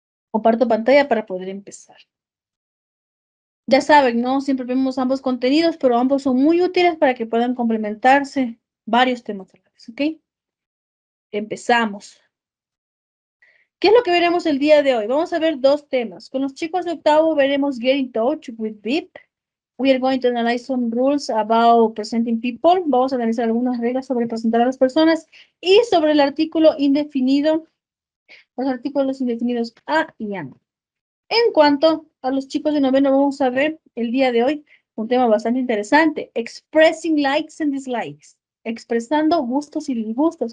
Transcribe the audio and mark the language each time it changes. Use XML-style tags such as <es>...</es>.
<es>Comparto pantalla para poder empezar. Ya saben, ¿no? Siempre vemos ambos contenidos, pero ambos son muy útiles para que puedan complementarse varios temas, ¿ok? Empezamos. ¿Qué es lo que veremos el día de hoy? Vamos a ver dos temas. Con los chicos de octavo veremos</es> <en>Get in Touch with VIP. We are going to analyze some rules about presenting people.</en> <es>Vamos a analizar algunas reglas sobre presentar a las personas y sobre el artículo indefinido, los artículos indefinidos A y N. En cuanto a los chicos de noveno, vamos a ver el día de hoy un tema bastante interesante.</es> <en>Expressing likes and dislikes.</en> <es>Expresando gustos y disgustos.</es>